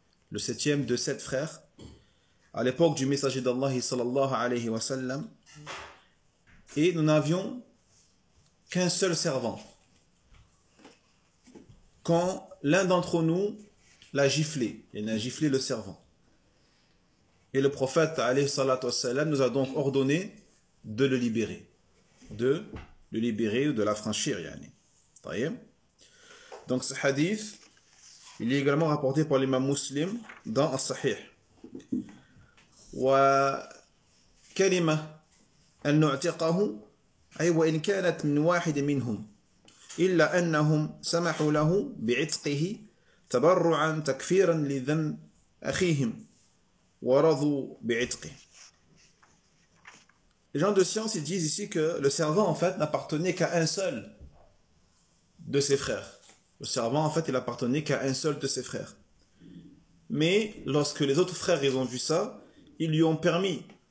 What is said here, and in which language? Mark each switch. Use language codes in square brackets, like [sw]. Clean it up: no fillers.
[fr] Le septième de sept frères. À l'époque du messager d'Allah sallallahu alayhi wa sallam, et nous n'avions qu'un seul servant quand l'un d'entre nous l'a giflé, il a giflé le servant, et le prophète alayhi sallallahu alayhi wa sallam nous a donc ordonné de le libérer, de le libérer ou de l'affranchir, yani. Donc ce hadith, il est également rapporté par l'imam muslim dans As-Sahih. وكلمة [ar] أن نعتقه أي وإن كانت من واحد منهم إلا أنهم سمحوا له بعتقه تبرعا تكفيرا لذنب أخيهم ورضوا بعتقه. [fr] Les gens de science, ils disent ici que le servant, en fait, n'appartenait qu'à un seul de ses frères. Le servant, en fait, il appartenait qu'à un seul de ses frères. Mais lorsque les autres frères, ils ont vu ça, ils lui ont permis.